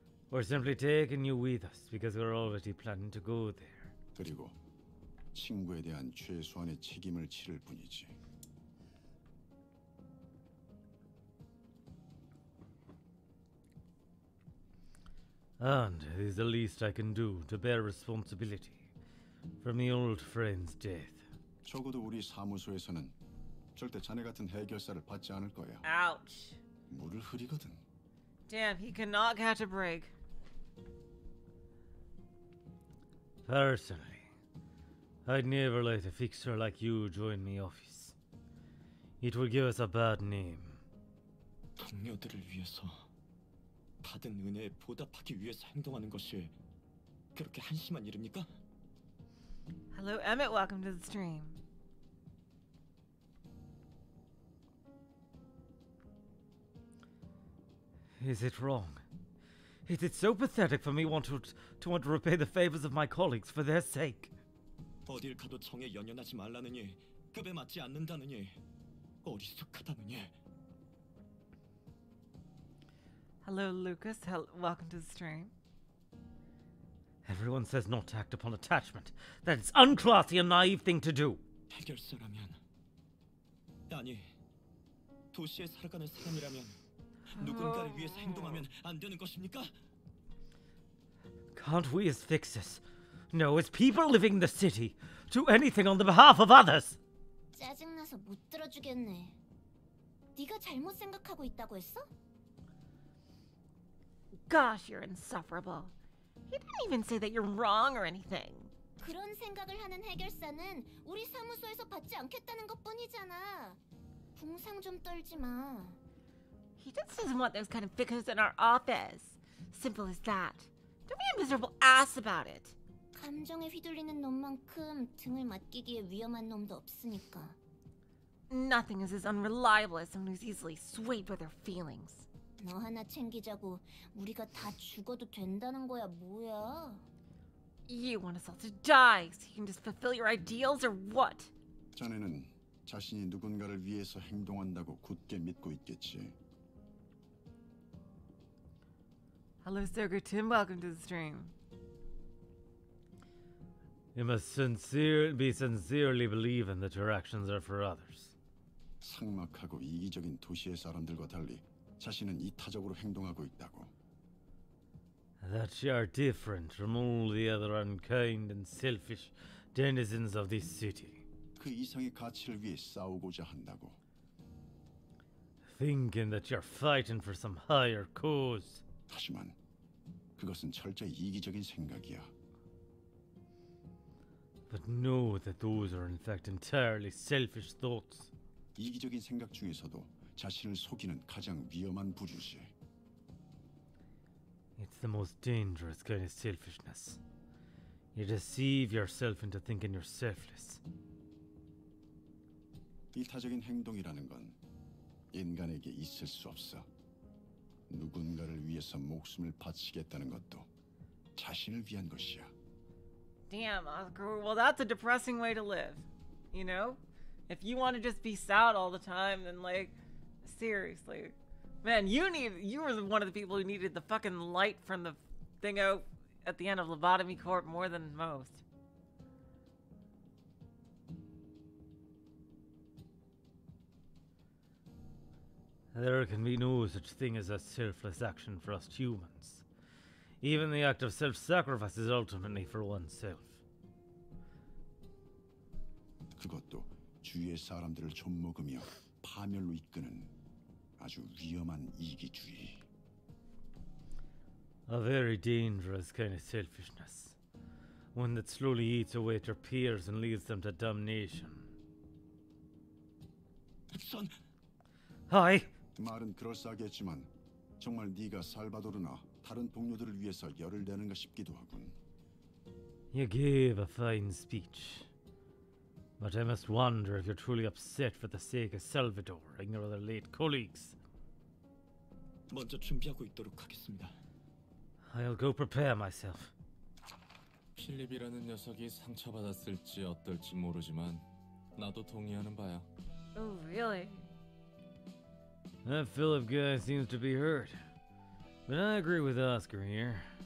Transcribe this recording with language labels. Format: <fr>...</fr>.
<en>We're simply taking you with us because we're already planning to go there.</en> <ko>그리고 친구에 대한 최소한의 책임을 지를 뿐이지.</ko> <en>And this is the least I can do to bear responsibility. From the old friend's death.</en> <ko>적어도 우리 사무소에서는 절대 자네 같은 해결사를 받지 않을 거야.</ko> <en>Ouch.</en> <ko>물을 흐리거든.</ko> <en>Damn, he cannot catch a break. Personally, I'd never let a fixer like you join my office. It would give us a bad name.</en> <ko>동료들을 위해서 받은 은혜에 보답하기 위해서 행동하는 것이 그렇게 한심한 일입니까?</ko> <en>Hello, Emmett. Welcome to the stream. Is it wrong? Is it so pathetic for me want to repay the favors of my colleagues for their sake?</en> <ko>어딜 가도 정에 연연하지 말라느니 급에 맞지 않는다느니 어리숙하다느니.</ko> <en>Hello, Lucas. Welcome to the stream. Everyone says not to act upon attachment. That is unclassy and naive thing to do.</en> <ko>해결사라면 아니 도시에 살아가는 사람이라면 누군가를 위해서 행동하면 안 되는 것입니까?</ko> <en>Can't we as fixers know as people living in the city do anything on the behalf of others?</en> <ko>짜증나서 못 들어주겠네. 네가 잘못 생각하고 있다고 했어?</ko> <en>Gosh, you're insufferable. He didn't even say that you're wrong or anything.</en> <ko>그런 생각을 하는 해결사는 우리 사무소에서 받지 않겠다는 것뿐이잖아. 궁상 좀 떨지 마.</ko> <en>He just doesn't want those kind of fixers in our office. Simple as that. Don't be a miserable ass about it.</en> <ko>감정에 휘둘리는 놈만큼 등을 맡기기에 위험한 놈도 없으니까.</ko> <en>Nothing is as unreliable as someone who's easily swayed by their feelings.</en> <ko>너 하나 챙기자고 우리가 다 죽어도 된다는 거야 뭐야?</ko> <en>You want us all to die so you can just fulfill your ideals or what?</en> <ko>자네는 자신이 누군가를 위해서 행동한다고 굳게 믿고 있겠지.</ko> <en>Hello, Soger Tim. Welcome to the stream. You must sincerely believe in that your actions are for others.</en> <ko>상막하고 이기적인 도시의 사람들과 달리 자신은 이타적으로 행동하고 있다고.</ko> <en>That you are different from all the other unkind and selfish denizens of this city.</en> <ko>그 이상의 가치를 위해 싸우고자 한다고.</ko> <en>Thinking that you're fighting for some higher cause.</en> <ko>하지만 그것은 철저히 이기적인 생각이야.</ko> <en>But know that those are in fact entirely selfish thoughts.</en> <ko>이기적인 생각 중에서도 자신을 속이는 가장 위험한 부류지.</ko> <en>It's the most dangerous kind of selfishness. You deceive yourself into thinking you're selfless.</en> <ko>이타적인 행동이라는 건 인간에게 있을 수 없어. 누군가를 위해서 목숨을 바치겠다는 것도 자신을 위한 것이야.</ko> <en>Damn, Oscar. Well, that's a depressing way to live. You know? If you want to just be sad all the time, then like, seriously. Man, you were one of the people who needed the fucking light from the thingo at the end of Lobotomy Court more than most. There can be no such thing as a selfless action for us humans. Even the act of self-sacrifice is ultimately for oneself.</en> <ko>그것도 주위의 사람들을 좀먹으며 파멸로 이끄는 아주 위험한 이기주의.</ko> <en>A very dangerous kind of selfishness. One that slowly eats away at your peers and leads them to damnation.</en> <ko>백선!</ko> <en>하이!</en> <ko>그 말은 그럴싸하겠지만 정말 네가 살바도르나 다른 동료들을 위해서 열을 내는가 싶기도 하군.</ko> <en>You gave a fine speech. But I must wonder if you're truly upset for the sake of Salvador and your other late colleagues.</en> <ko>먼저 준비하고 있도록 하겠습니다.</ko> <en>I'll go prepare myself.</en> <ko>필립이라는 녀석이 상처받았을지 어떨지 모르지만 나도 동의하는 바야.</ko> <en>Oh, really? That Philip guy seems to be hurt. But I agree with Oscar here.</en>